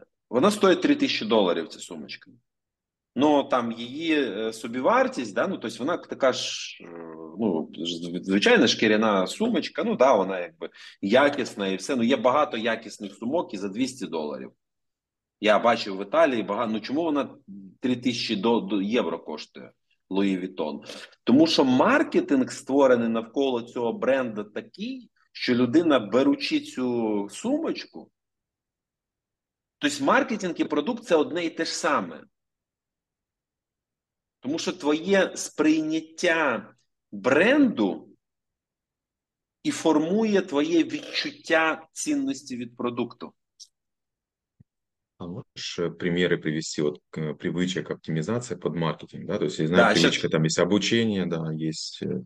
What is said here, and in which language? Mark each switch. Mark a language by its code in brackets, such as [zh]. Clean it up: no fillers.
[uk] Вона стоїть 3 тисячі доларів, ця сумочка. Ну, там її собівартість, да? Ну, тобто вона така ж, ну, звичайна шкіряна сумочка. Ну, да, вона, якби, якісна і все. Ну, є багато якісних сумок і за 200 доларів. Я бачив в Італії багато. Ну, чому вона 3 тисячі до євро коштує Louis Vuitton? Тому що маркетинг створений навколо цього бренду такий, що людина, беручи цю сумочку, тобто маркетинг і продукт – це одне і те ж саме. Тому що твоє сприйняття бренду і формує твоє відчуття цінності від продукту. [ru] А лучше примеры привести, вот привычек оптимизации под маркетинг, да, то есть, я знаю, да, привычка сейчас... там есть обучение, да, есть